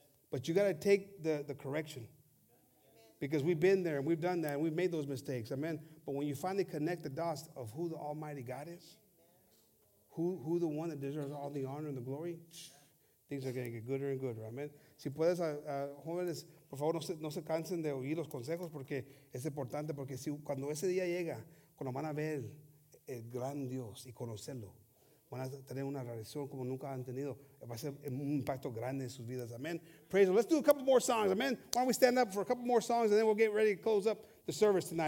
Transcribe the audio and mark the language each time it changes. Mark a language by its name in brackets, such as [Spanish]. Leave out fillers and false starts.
[English] But you got to take the correction. Because we've been there and we've done that and we've made those mistakes. Amen. But when you finally connect the dots of who the Almighty God is, who the one that deserves all the honor and the glory, things are going to get gooder and gooder. Amen. [Spanish] Si puedes, jóvenes, por favor, no se cansen de oír los consejos porque es importante. Porque si cuando ese día llega, cuando van a ver el gran Dios y conocerlo, van a tener una relación como nunca han tenido. Va a ser un impacto grande en sus vidas. [English] Amen. Praise the Lord. Let's do a couple more songs. Amen. Why don't we stand up for a couple more songs and then we'll get ready to close up the service tonight.